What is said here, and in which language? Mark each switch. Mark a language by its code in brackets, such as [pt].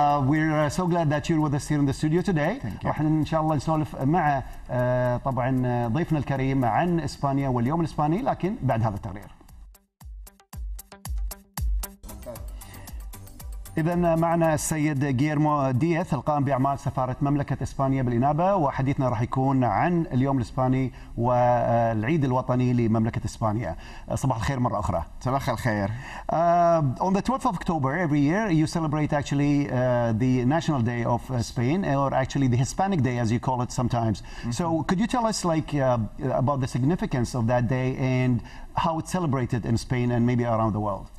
[en] We're so glad that you're with us here in the studio today. [ar] راح ان شاء الله نسولف مع طبعا ضيفنا الكريم عن اسبانيا واليوم الاسباني، لكن بعد هذا التقرير. اذا معنا السيد غييرمو دييث، القائم باعمال سفاره مملكه اسبانيا بالانابه، وحديثنا راح يكون عن اليوم الاسباني والعيد الوطني لمملكه اسبانيا. صباح الخير مره اخرى. صباح الخير. [en] On the 12th of October every year you celebrate actually the national day of Spain, or actually the Hispanic day as you call it sometimes. So could you tell us like about the significance of that day and how it's celebrated in Spain and maybe around the world?